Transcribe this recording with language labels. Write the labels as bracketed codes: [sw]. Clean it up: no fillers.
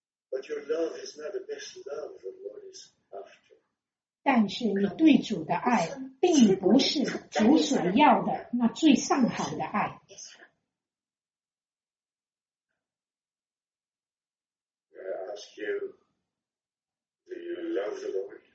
[en] But your love is not the best love the Lord is after. [zh] 但是你对主的爱并不是主所要的那最上好的爱。 [en] I ask you, do you love the Lord?